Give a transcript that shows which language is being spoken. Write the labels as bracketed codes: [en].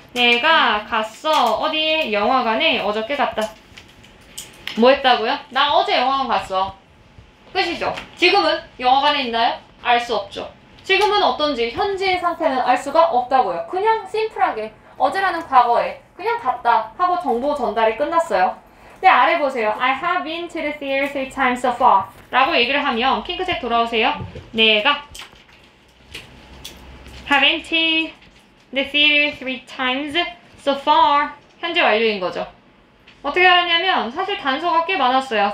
[ko] 내가 갔어. 어디에? 영화관에. 어저께 갔다. 뭐 했다고요? 나 어제 영화관 갔어. 끝이죠. 지금은 영화관에 있나요? 알 수 없죠. 지금은 어떤지 현재의 상태는 알 수가 없다고요. 그냥 심플하게 어제라는 과거에 그냥 갔다 하고 정보 전달이 끝났어요. 네, 아래 보세요. [en] I have been to the theater 3 times so far [ko] 라고 얘기를 하면 핑크색 돌아오세요. 내가 [en] have been to the theater 3 times so far [ko] 현재 완료인 거죠. 어떻게 알았냐면 사실 단서가 꽤 많았어요.